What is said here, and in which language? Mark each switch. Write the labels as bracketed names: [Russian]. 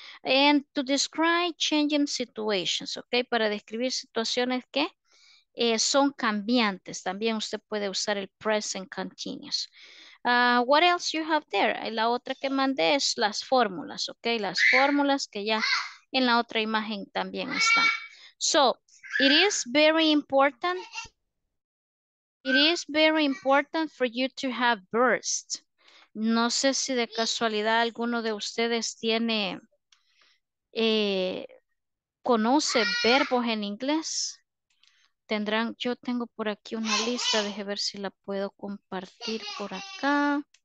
[English] And to describe changing situations, ¿ok? [Spanish] Para describir situaciones que son cambiantes. También usted puede usar el present continuous. [English] What else you have there? [Spanish] La otra que mandé es las fórmulas, ¿ok? Las fórmulas que ya en la otra imagen también están. [English] So, it is very important for you to have bursts. [Spanish] No sé si de casualidad alguno de ustedes tiene, conoce verbos en inglés. Tendrán, yo tengo por aquí una lista, deje ver si la puedo compartir por acá.